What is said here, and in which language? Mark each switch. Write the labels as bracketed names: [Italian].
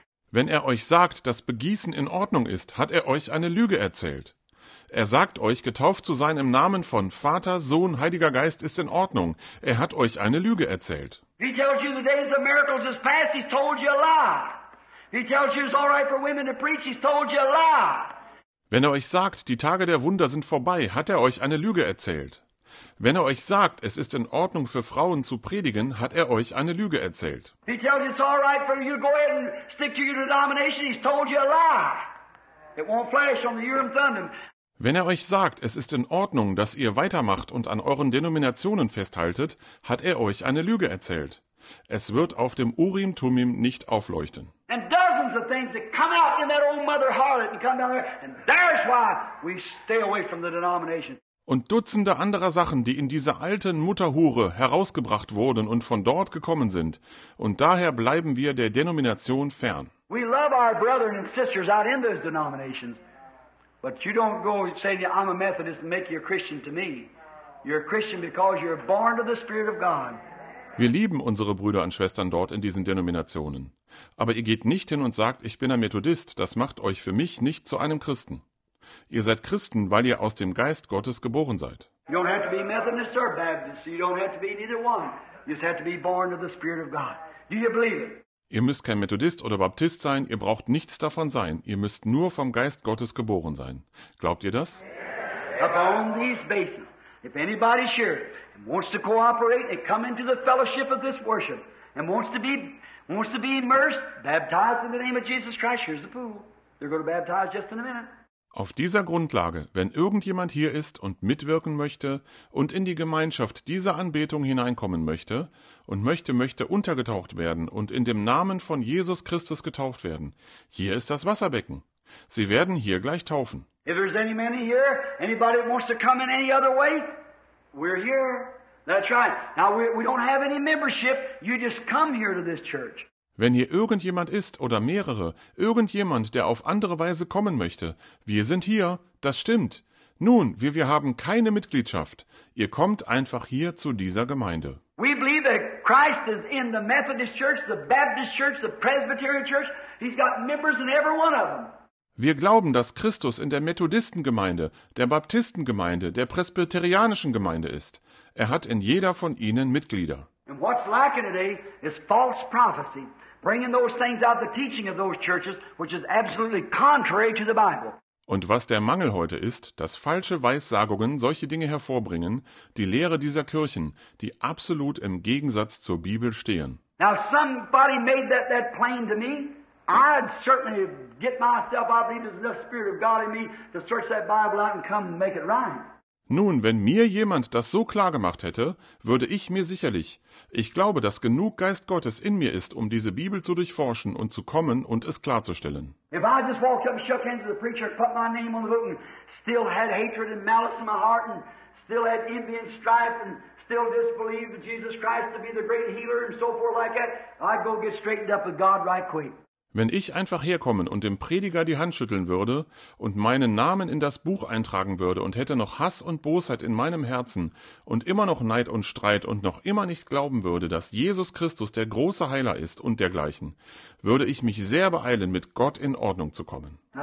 [German] Wenn er euch sagt, dass Begießen in Ordnung ist, hat er euch eine Lüge erzählt. Er sagt euch, getauft zu sein im Namen von Vater, Sohn, Heiliger Geist ist in Ordnung. Er hat euch eine Lüge erzählt. [English] He tells you the days of miracles is past, he's told you a lie. He tells you it's all right for women to preach, he's told you a lie. [German] Wenn er euch sagt, die Tage der Wunder sind vorbei, hat er euch eine Lüge erzählt. Wenn er euch sagt, es ist in Ordnung für Frauen zu predigen, hat er euch eine Lüge erzählt. [English] He tells you it's all right for you to go ahead and stick to your denomination, he's told you a lie. It won't flash on the Urim Thummim. [German] Wenn er euch sagt, es ist in Ordnung, dass ihr weitermacht und an euren Denominationen festhaltet, hat er euch eine Lüge erzählt. Es wird auf dem Urim Thummim nicht aufleuchten. [English] And dozens of things that come out in that old mother harlot and come down there, and there's why we stay away from the denomination. [German] Und Dutzende anderer Sachen, die in dieser alten Mutterhure herausgebracht wurden und von dort gekommen sind, und daher bleiben wir der Denomination fern. [English] We love our brethren and sisters out in those denominations. But you don't go and say, I'm a Methodist and make you a Christian to me. You're a Christian because you're born of the Spirit of God. [German] Wir lieben unsere Brüder und Schwestern dort in diesen Denominationen. Aber ihr geht nicht hin und sagt, ich bin ein Methodist, das macht euch für mich nicht zu einem Christen. Ihr seid Christen, weil ihr aus dem Geist Gottes geboren seid. [English] You don't have to be Methodist or Baptist. You don't have to be neither one. You just have to be born of the Spirit of God. Do you believe it? [German] Ihr müsst kein Methodist oder Baptist sein, ihr braucht nichts davon sein, ihr müsst nur vom Geist Gottes geboren sein. Glaubt ihr das? [English] Upon these bases, if anybody's here and wants to cooperate and come into the fellowship of this worship and wants to be immersed, baptized in the name of Jesus Christ, here's the pool. They're going to baptize just in a minute. [German] Auf dieser Grundlage, wenn irgendjemand hier ist und mitwirken möchte und in die Gemeinschaft dieser Anbetung hineinkommen möchte und möchte untergetaucht werden und in dem Namen von Jesus Christus getauft werden, hier ist das Wasserbecken. Sie werden hier gleich taufen. [English] If there's any man here, anybody that wants to come in any other way, we're here. That's right. Now we don't have any membership, you just come here to this church. [German] Wenn hier irgendjemand ist oder mehrere, irgendjemand, der auf andere Weise kommen möchte, wir sind hier, das stimmt. Nun, wir haben keine Mitgliedschaft. Ihr kommt einfach hier zu dieser Gemeinde. [English] We believe that Christ is in the Methodist Church, the Baptist Church, the Presbyterian Church. He's got members in every one of them. [German] Wir glauben, dass Christus in der Methodistengemeinde, der Baptistengemeinde, der Presbyterianischen Gemeinde ist. Er hat in jeder von ihnen Mitglieder. [English] And what's lacking today is false prophecy, bringing those things out, the teaching of those churches, which is absolutely contrary to the Bible. [German] Und was der Mangel heute ist, dass falsche Weissagungen solche Dinge hervorbringen, die Lehre dieser Kirchen, die absolut im Gegensatz zur Bibel stehen. [English] Now somebody made that plain to me. I'd certainly get myself, I believe there's enough spirit of God in me to search that Bible out and come make it right. [German] Nun, wenn mir jemand das so klar gemacht hätte, würde ich mir sicherlich, ich glaube, dass genug Geist Gottes in mir ist, um diese Bibel zu durchforschen und zu kommen und es klarzustellen. [English] If I just walked up and shook hands with the preacher, put my name on the book and still had hatred and malice in my heart and still had envy and strife and still disbelieved in Jesus Christ to be the great healer and so forth like that, I'd go get straightened up with God right quick. [German] Wenn ich einfach herkommen und dem Prediger die Hand schütteln würde und meinen Namen in das Buch eintragen würde und hätte noch Hass und Bosheit in meinem Herzen und immer noch Neid und Streit und noch immer nicht glauben würde, dass Jesus Christus der große Heiler ist und dergleichen, würde ich mich sehr beeilen, mit Gott in Ordnung zu kommen.